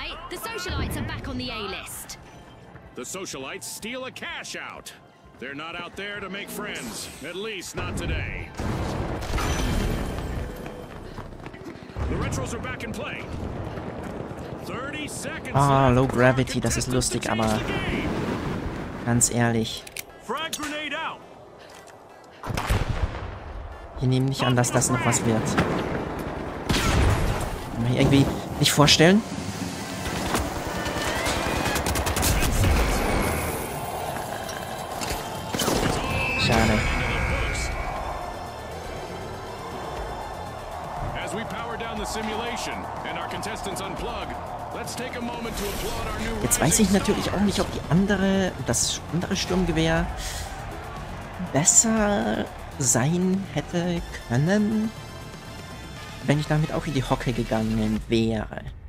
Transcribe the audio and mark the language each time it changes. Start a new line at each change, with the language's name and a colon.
English: The Socialites are back on the A-list. The Socialites steal a cash out. They're not out there to make friends. At least not today. The Retros are back in play. 30 seconds.
German: Ah,
English: low gravity,
German: das ist lustig, aber ganz ehrlich.
English: Frag grenade out.
German: Wir nehmen nicht an, dass das noch was wird. Kann man hier irgendwie nicht vorstellen? Schade.
English: As we power down the simulation and our contestants unplug, let's take a moment to applaud our new.
German: Jetzt weiß ich natürlich auch nicht, ob die andere, das andere Sturmgewehr besser sein hätte können, wenn ich damit auch in die Hocke gegangen wäre.